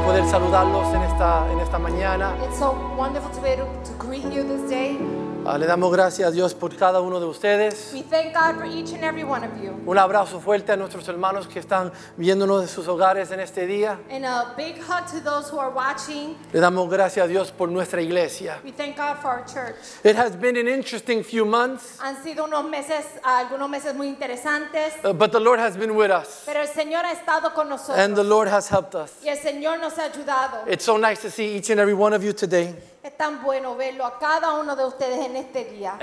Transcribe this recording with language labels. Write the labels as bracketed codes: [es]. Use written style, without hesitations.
[es] saludarlos en esta mañana. [en] It's so wonderful to be able to greet you this day. [es] Le damos gracias a Dios por cada uno de ustedes. [en] We thank God for each and every one of you. [es] Un abrazo fuerte a nuestros hermanos que están viéndonos de sus hogares en este día. [en] And a big hug to those who are watching. [es] Le damos gracias a Dios por nuestra iglesia. [en] We thank God for our church. It has been an interesting few months. [es] Han sido unos meses, algunos meses muy interesantes. [en] But the Lord has been with us. [es] Pero el Señor ha estado con nosotros. [en] And the Lord has helped us. [es] Y el Señor nos ha ayudado. [en] It's so nice to see each and every one of you today. [es] Es tan bueno verlo a cada uno de ustedes en este día.